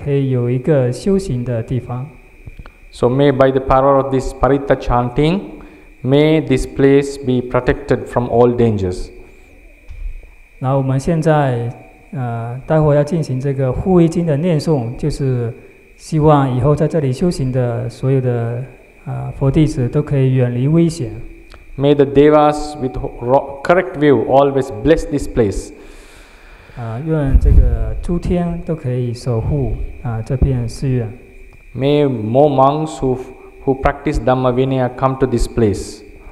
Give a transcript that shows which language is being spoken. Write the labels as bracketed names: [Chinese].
[Chinese] 然后这个解脱林呢，就是那些为了真正想解脱的人，可以有一个修行的地方。 [English] So may by the power of this paritta chanting, may this place be protected from all dangers. [Chinese] 然后我们现在待会要进行这个护卫经的念诵，就是希望以后在这里修行的所有的佛弟子都可以远离危险。 [English] May the devas with correct view always bless this place. [Chinese] 愿这个诸天都可以守护这片寺院. [English] May more monks who practice dhamma vinaya come to this place.